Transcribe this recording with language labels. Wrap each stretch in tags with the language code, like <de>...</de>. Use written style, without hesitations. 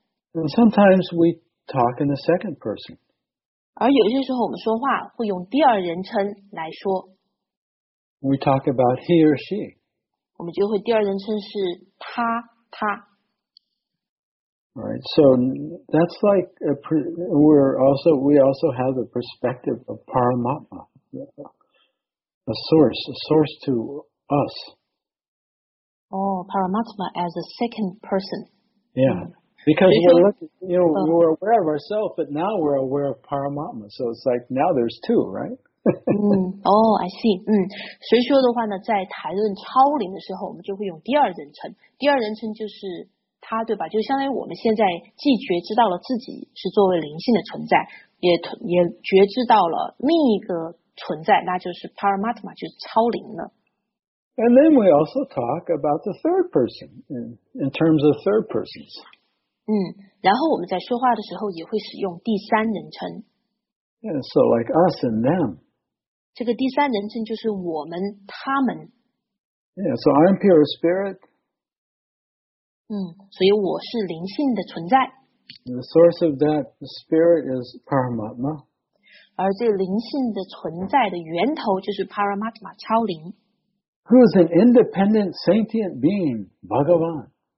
<en>And sometimes we talk in the second person.</en> <zh>而有些时候我们说话会用第二人称来说。</zh> <en>We talk about he or she.</en> <zh>我们就会第二人称是他。</zh> <en>Right, so that's like we also have the perspective of Paramatma, a source to us. Oh, Paramatma as a second person. Yeah, because we're aware of ourselves, but now we're aware of Paramatma. So it's like now there's two, right? I see.</en> <zh>所以说的话呢，在谈论超灵的时候，我们就会用第二人称。第二人称就是他，对吧？就相当于我们现在既觉知到了自己是作为灵性的存在，也觉知到了另一个存在，那就是 Paramatma， 就是超灵了。</zh> <en>And then we also talk about the third person in terms of third persons.</en> <zh>然后我们在说话的时候也会使用第三人称。</zh> <en>Yeah, so like us and them.</en> <zh>这个第三人称就是我们、他们。</zh> <en>Yeah, so I'm pure spirit.</en> <zh>所以我是灵性的存在。</zh> <en>The source of that spirit is Paramatma.</en> <zh>而这灵性的存在的源头就是 Paramatma, 超灵。</zh> <en>Who is an independent sentient being, Bhagavan?</en>